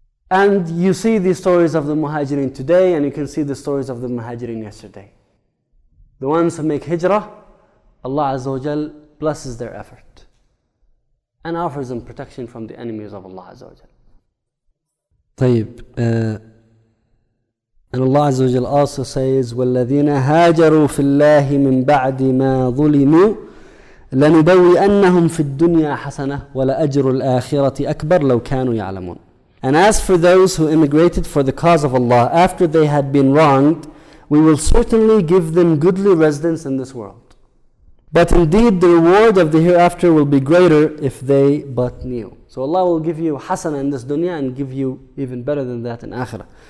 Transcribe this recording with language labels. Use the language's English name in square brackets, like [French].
[English] And you see the stories of the muhajirin today, and you can see the stories of the muhajirin yesterday. The ones who make hijrah, Allah Azza wa Jal blesses their effort and offers them protection from the enemies of Allah Azza wa Jal. [Arabic] طيب [English] and Allah Azza wa Jal also says, [Arabic] وَالَّذِينَ هَاجَرُوا فِي اللَّهِ مِنْ بَعْدِ مَا ظُلِمُوا لَنُبَوِّئَنَّهُمْ فِي الدُّنْيَا حَسَنَةً وَلَأَجْرُ الْآخِرَةِ أَكْبَرُ لَوْ كَانُوا يَعْلَمُونَ. [English] And as for those who immigrated for the cause of Allah after they had been wronged, we will certainly give them goodly residence in this world. But indeed the reward of the hereafter will be greater if they but knew. So Allah will give you hasana in this dunya and give you even better than that in akhirah.